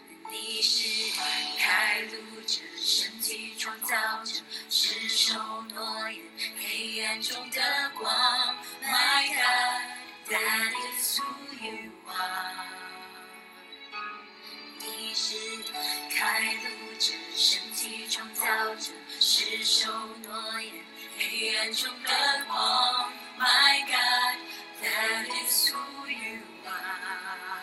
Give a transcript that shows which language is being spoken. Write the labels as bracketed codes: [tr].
[zh] 你是开路者，神迹创造者，是守诺言黑暗中的光。 [en] My God, that is who you are. [zh] 你是开路者，神迹创造者，是守诺言黑暗中的光。 [en] My God, that is who you are.